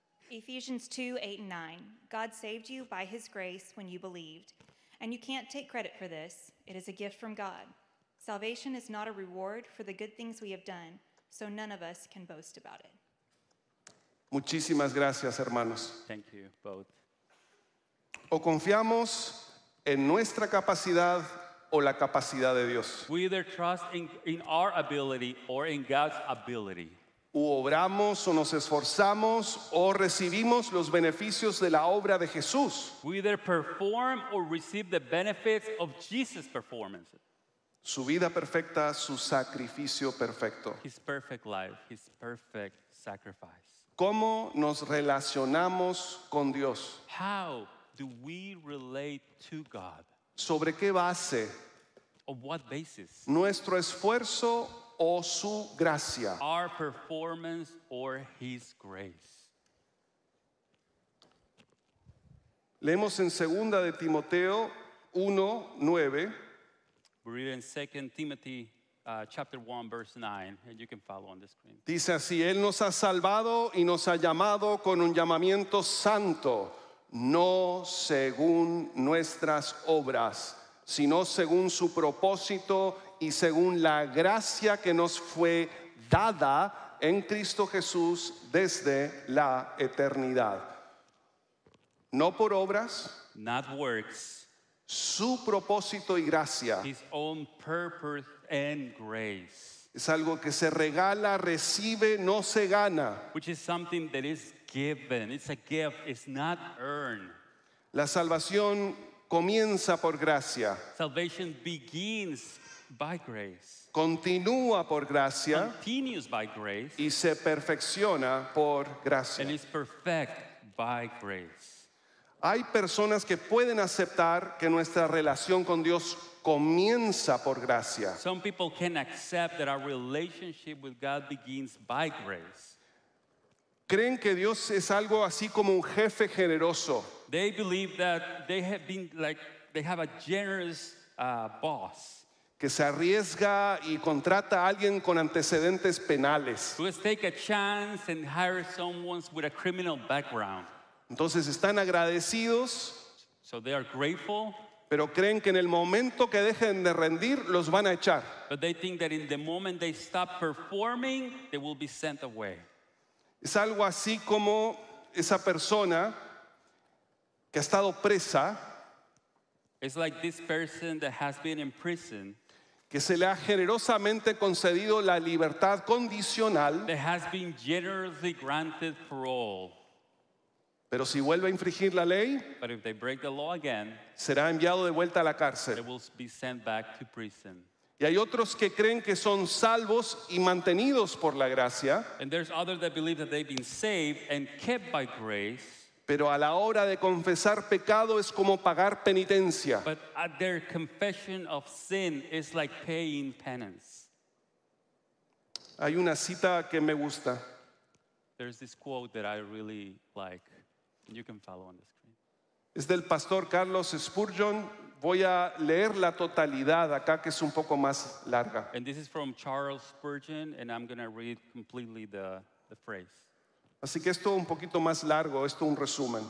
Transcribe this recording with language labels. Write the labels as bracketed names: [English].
[English] Ephesians 2, 8 and 9. God saved you by his grace when you believed. And you can't take credit for this. It is a gift from God. Salvation is not a reward for the good things we have done, so none of us can boast about it. [Spanish] Muchísimas gracias, hermanos. [English] Thank you both. [Spanish] O confiamos en nuestra capacidad o la capacidad de Dios. [English] We either trust in our ability or in God's ability. [Spanish] O obramos o nos esforzamos o recibimos los beneficios de la obra de Jesús. [English] We either perform or receive the benefits of Jesus' performance. [Spanish] Su vida perfecta, su sacrificio perfecto. [English] His perfect life, his perfect sacrifice. [Spanish] ¿Cómo nos relacionamos con Dios? [English] How do we relate to God? [Spanish] ¿Sobre qué base? [English] On what basis? [Spanish] ¿Nuestro esfuerzo o su gracia? [English] Our performance or his grace. [Spanish] Leemos en 2 de Timoteo 1:9. [English] We read in 2 Timothy chapter 1 verse 9, and you can follow on the screen. [Spanish] Dice así: Él nos ha salvado y nos ha llamado con un llamamiento santo, no según nuestras obras, sino según su propósito y según la gracia que nos fue dada en Cristo Jesús desde la eternidad. No por obras, [English] not works, [Spanish] su propósito y gracia. [English] His own purpose and grace. [Spanish] Es algo que se regala, recibe, no se gana. [English] Which is something that is given. It's a gift, it's not earned. [Spanish] La salvación comienza por gracia. [English] Salvation begins by grace. [Spanish] Continúa por gracia. [English] Continues by grace. [Spanish] Y se perfecciona por gracia. [English] And is perfect by grace. [Spanish] Hay personas que pueden aceptar que nuestra relación con Dios comienza por gracia. [English] Some people can accept that our relationship with God begins by grace. [Spanish] Creen que Dios es algo así como un jefe generoso. [English] They believe that they have been like they have a generous boss. [Spanish] Que se arriesga y contrata a alguien con antecedentes penales. [English] Who has taken a chance and hires someone with a criminal background. [Spanish] Entonces están agradecidos, [English] so they are grateful, [Spanish] pero creen que en el momento que dejen de rendir los van a echar. [English] But they think that in the moment they stop performing, they will be sent away. [Spanish] Es algo así como esa persona que ha estado presa. [English] It's like this person that has been in prison, [Spanish] que se le ha generosamente concedido la libertad condicional. [English] That has been generously granted parole. [Spanish] Pero si vuelve a infringir la ley, [English] but if they break the law again, [Spanish] será enviado de vuelta a la cárcel. [English] They will be sent back to prison. [Spanish] Y hay otros que creen que son salvos y mantenidos por la gracia. [English] And there's others that believe that they've been saved and kept by grace. [Spanish] Pero a la hora de confesar pecado es como pagar penitencia. [English] But at their confession of sin is like paying penance. [Spanish] Hay una cita que me gusta. [English] There's this quote that I really like. You can follow on the screen. [Spanish] Es del pastor Carlos Spurgeon. Voy a leer la totalidad acá, que es un poco más larga. [English] And this is from Charles Spurgeon, and I'm going to read completely the phrase. [Spanish] Así que esto un poquito más largo, esto un resumen.